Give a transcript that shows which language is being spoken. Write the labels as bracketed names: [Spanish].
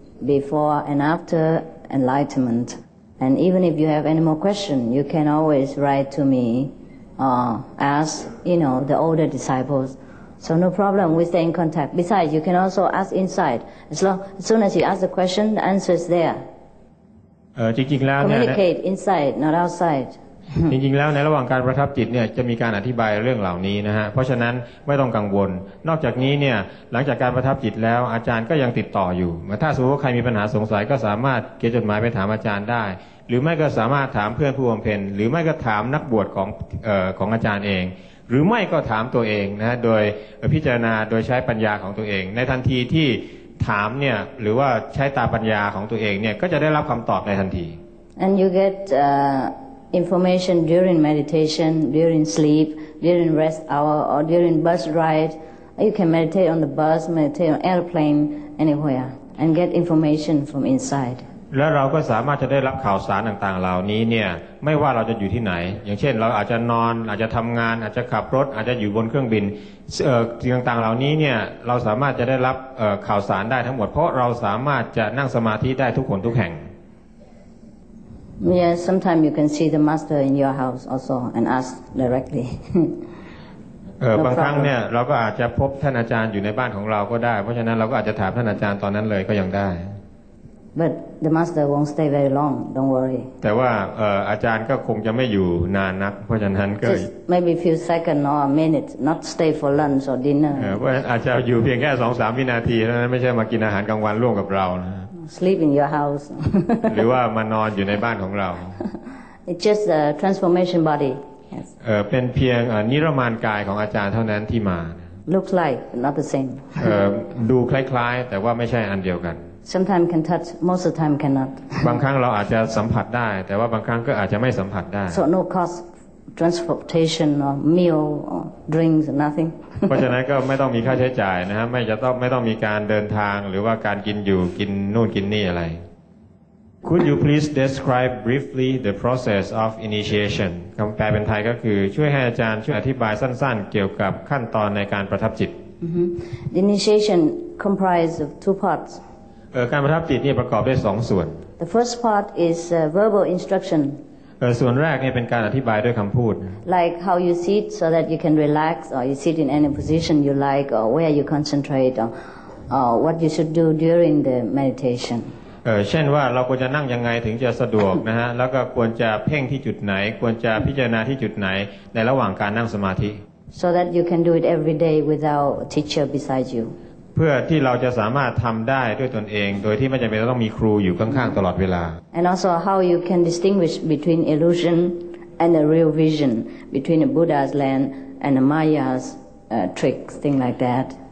[English] Before and after enlightenment, and even if you have any more question, you can always write to me, ask you know the older disciples. So no problem, we stay in contact. Besides, you can also ask inside. As soon as you ask the question, the answer is there. [Thai] จริงๆแล้ว [English] communicate inside, not outside. [Thai] จริงๆแล้วในระหว่างการประทับจิตเนี่ยจะมีการอธิบายเรื่องเหล่านี้นะฮะเพราะฉะนั้นไม่ต้องกังวลนอกจากนี้เนี่ยหลังจากการประทับจิตแล้วอาจารย์ก็ยังติดต่ออยู่ถ้าสมมติว่าใครมีปัญหาสงสัยก็สามารถเขียนจดหมายไปถามอาจารย์ได้หรือไม่ก็สามารถถามเพื่อนผู้บำเพ็ญหรือไม่ก็ถามนักบวชของอาจารย์เองหรือไม่ก็ถามตัวเองนะโดยพิจารณาโดยใช้ปัญญาของตัวเองในทันทีที่ถามเนี่ยหรือว่าใช้ตาปัญญาของตัวเองเนี่ยก็จะได้รับคำตอบในทันที [English] and you get information during meditation, during sleep, during rest hour, or during bus ride. You can meditate on the bus, meditate on airplane, anywhere, and get information from inside. [Thai] และเราก็สามารถจะได้รับข่าวสารต่างๆเหล่านี้เนี่ยไม่ว่าเราจะอยู่ที่ไหนอย่างเช่นเราอาจจะนอนอาจจะทำงานอาจจะขับรถอาจจะอยู่บนเครื่องบินสิ่งต่างๆเหล่านี้เนี่ยเราสามารถจะได้รับข่าวสารได้ทั้งหมดเพราะเราสามารถจะนั่งสมาธิได้ทุกคนทุกแห่ง [English] Yes, sometimes you can see the master in your house also and ask directly. [Thai] บางครั้งเนี่ยเราก็อาจจะพบท่านอาจารย์อยู่ในบ้านของเราก็ได้เพราะฉะนั้นเราก็อาจจะถามท่านอาจารย์ตอนนั้นเลยก็ยังได้ [English] But the master won't stay very long. Don't worry. [Thai] แต่ว่าอาจารย์ก็คงจะไม่อยู่นานนักเพราะฉะนั้นก็ [English] Just maybe a few seconds or a minute, not stay for lunch or dinner. [Thai] อาจจะอยู่เพียงแค่สองสามวินาทีเท่านั้นไม่ใช่มากินอาหารกลางวันร่วมกับเรานะ [English] Sleep in your house. [Thai] หรือว่ามานอนอยู่ในบ้านของเรา [English] It's just a transformation body. Yes. [Thai] เป็นเพียงนิรมานกายของอาจารย์เท่านั้นที่มา [English] Looks like not the same. [Thai] ดูคล้ายๆแต่ว่าไม่ใช่อันเดียวกัน [English] Sometimes can touch, most of the time cannot. [Thai] บางครั้งเราอาจจะสัมผัสได้แต่ว่าบางครั้งก็อาจจะไม่สัมผัสได้ [English] So no cost transportation or meal or drinks or nothing. [Thai] เพราะฉะนั้นก็ไม่ต้องมีค่าใช้จ่ายนะฮะไม่ต้องมีการเดินทางหรือว่าการกินอยู่กินนู่นกินนี่อะไร [English] Could you please describe briefly the process of initiation? [Thai] คำแปลเป็นไทยก็คือช่วยให้อาจารย์ช่วยอธิบายสั้นๆเกี่ยวกับขั้นตอนในการประทับจิต [English] The initiation comprises of two parts. [Thai] การประทับจิตนี่ประกอบด้วย2ส่วน [English] The first part is verbal instruction. [Thai] ส่วนแรกเนี่ยเป็นการอธิบายด้วยคำพูด [English] like how you sit so that you can relax or you sit in any position you like or where you concentrate or what you should do during the meditation [Thai] เช่นว่าเราควรจะนั่งยังไงถึงจะสะดวกนะฮะแล้วก็ควรจะเพ่งที่จุดไหนควรจะพิจารณาที่จุดไหนในระหว่างการนั่งสมาธิ [English] so that you can do it every day without teacher beside you [Thai] เพื่อที่เราจะสามารถทำได้ด้วยตนเองโดยที่ไม่จำเป็นต้องมีครูอยู่ข้างๆตลอดเวลา [English] And also how you can distinguish between illusion and a real vision between a Buddha's land and a Maya's tricks thing like that